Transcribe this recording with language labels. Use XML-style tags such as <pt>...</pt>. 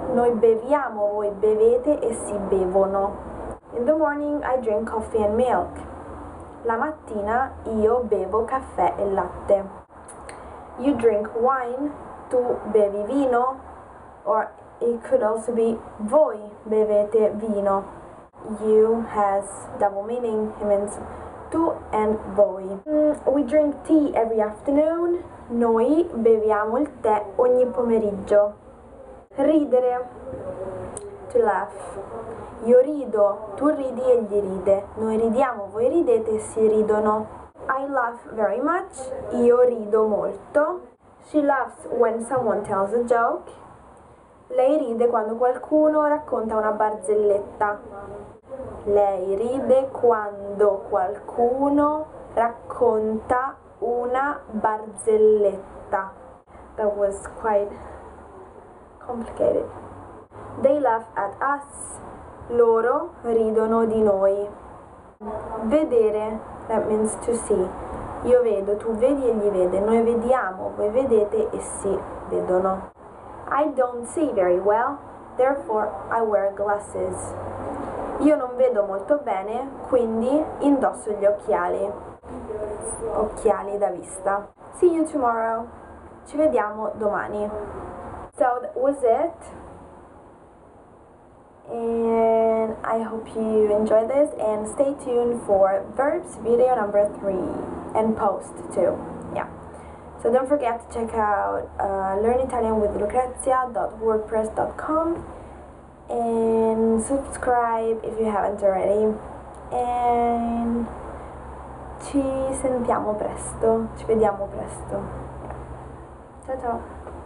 <it>Noi beviamo, voi bevete, essi bevono.</it> <en>In the morning, I drink coffee and milk.</en> <it>La mattina, io bevo caffè e latte.</it> <en>You drink wine,</en> <it>tu bevi vino,</it> <en>or it could also be</en> <it>voi bevete vino.</it> <en>You has double meaning, it means tu and voi. We drink tea every afternoon.</en> <it>Noi beviamo il tè ogni pomeriggio. Ridere,</it> <en>to laugh.</en> <it>Io rido, tu ridi, egli ride. Noi ridiamo, voi ridete, si ridono.</it> <en>I laugh very much.</en> <it>Io rido molto.</it> <en>She laughs when someone tells a joke.</en> <it>Lei ride quando qualcuno racconta una barzelletta. Lei ride quando qualcuno racconta una barzelletta.</it> <en>That was quite complicated. They laugh at us.</en> <it>Loro ridono di noi. Vedere,</it> <en>that means to see.</en> <it>Io vedo, tu vedi, egli vede. Noi vediamo, voi vedete, essi vedono.</it> <en>I don't see very well, therefore I wear glasses.</en> <it>Io non vedo molto bene, quindi indosso gli occhiali. Occhiali da vista.</it> <en>See you tomorrow.</en> <it>Ci vediamo domani.</it> <en>So that was it. And I hope you enjoy this and stay tuned for Verbs video number 3 and post too. Yeah. So don't forget to check out learnitalianwithlucrezia.wordpress.com and subscribe if you haven't already.</en> <it>And ci sentiamo presto. Ci vediamo presto. Ciao ciao.</it>